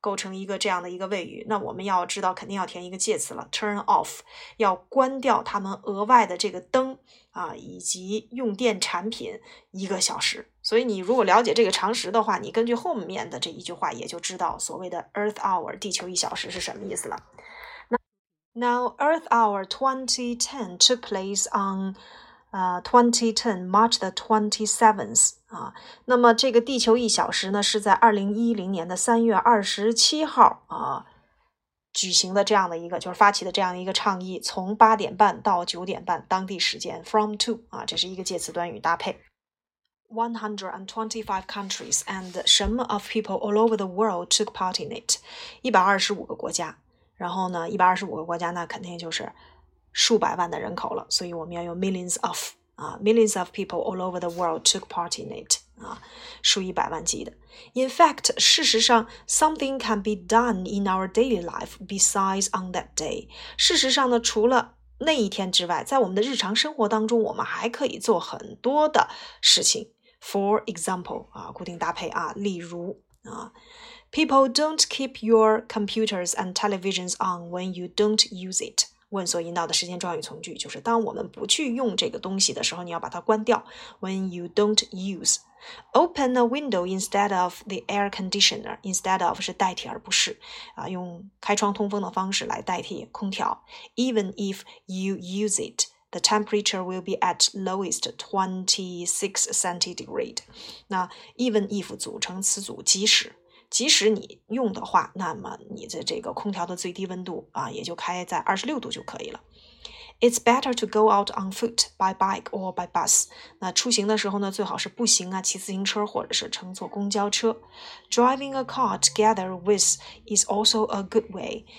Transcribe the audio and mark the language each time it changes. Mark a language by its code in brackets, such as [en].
[zh] 构成一个这样的一个谓语，那我们要知道肯定要填一个介词了 ，turn off， 要关掉他们额外的这个灯以及用电产品一个小时。所以你如果了解这个常识的话，你根据后面的这一句话也就知道所谓的 Earth Hour 地球一小时是什么意思了。 [en] Now, Earth Hour 2010 took place on 2010, March the 27th. [zh] 那么这个地球一小时呢，是在2010年的3月27号举行的这样的一个，就是发起的这样一个倡议，从8:30到9:30当地时间 from to, 这是一个介词短语搭配。 [en] 125 countries and [zh] 什么 [en] of people all over the world took part in it. [zh] 125个国家。然后呢125个国家那肯定就是数百万的人口了，所以我们要用 [en] millions of, millions of people all over the world took part in it, [zh] 数以百万计的。 [en] In fact, [zh] 事实上 [en] something can be done in our daily life besides on that day. [zh] 事实上呢除了那一天之外，在我们的日常生活当中我们还可以做很多的事情。 [en] For example, [zh] 固定搭配例如 [en] People don't keep your computers and televisions on when you don't use it. [zh] 问所引导的时间状语从句，就是当我们不去用这个东西的时候，你要把它关掉。 [en] When you don't use. Open a window instead of the air conditioner. [zh] Instead of 是代替而不是。用开窗通风的方式来代替空调。 [en] Even if you use it, the temperature will be at lowest 26 centigrade. [zh] 那 even if 组成词组即使。即使你用的话，那么你的这个空调的最低温度也就开在26度就可以了。 [en] It's better to go out on foot, by bike or by bus. [zh] 那出行的时候呢，最好是步行骑自行车或者是乘坐公交车。 [en] Driving a car together with is also a good way.